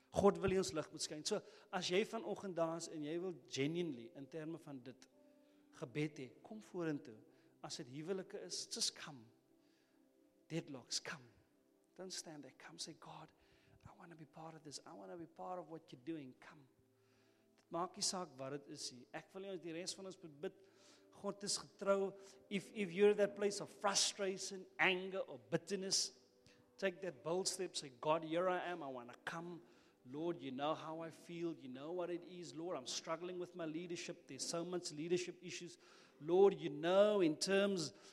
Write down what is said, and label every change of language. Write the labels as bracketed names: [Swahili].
[Afrikaans] God wil ons lig moet skyn. So, as jy vanoggend daar is en jy wil genuinely in terme van dit gebed hê, kom vorentoe. As dit huwelike is, [English] just come. Deadlocks, come. Don't stand there. Come say, God, I want to be part of this. I want to be part of what you're doing. Come. [Afrikaans] Dit maak nie saak wat dit is nie. Ek wil ons die res van ons moet bid. God is getrou. [English] If you're in that place of frustration, anger or bitterness, take that bold step. Say, God, here I am. I want to come. Lord, you know how I feel. You know what it is. Lord, I'm struggling with my leadership. There's so much leadership issues. Lord, you know in terms